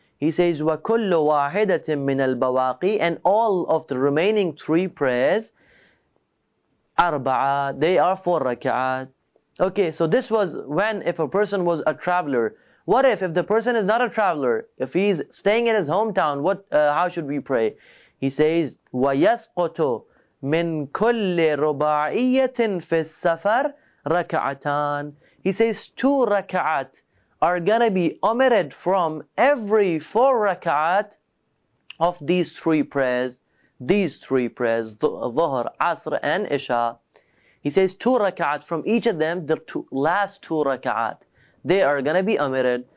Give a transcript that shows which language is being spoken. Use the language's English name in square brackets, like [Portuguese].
[English] He says, [Arabic] وَكُلُّ وَاحِدَةٍ مِّنَ الْبَوَاقِي, [English] and all of the remaining 3 prayers, 4, they are 4 raka'at. Okay, so this was when if a person was a traveler. What if the person is not a traveler? If he's staying in his hometown, how should we pray? He says, [Arabic] وَيَسْقُطُ مِنْ كُلِّ رُبَعِيَّةٍ فِي السَّفَرِ رَكَعَتَانِ. [English] He says, 2 raka'at are going to be omitted from every 4 raka'at of these 3 prayers. These 3 prayers, Dhuhr, Asr, and Isha. He says, 2 raka'at from each of them, the last two raka'at, they are going to be omitted.